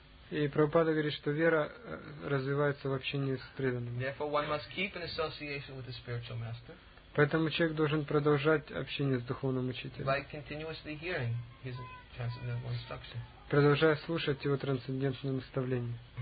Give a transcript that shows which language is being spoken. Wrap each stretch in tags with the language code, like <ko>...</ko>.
<ru>И Прабхупада говорит, что вера развивается в общении с преданными.</ru> <en>Therefore, one must keep an association with the spiritual master.</en> <ru>Поэтому человек должен продолжать общение с духовным учителем.</ru> <en>By continuously hearing his transcendental instruction.</en> <ru>Продолжая слушать его трансцендентные наставления.</ru>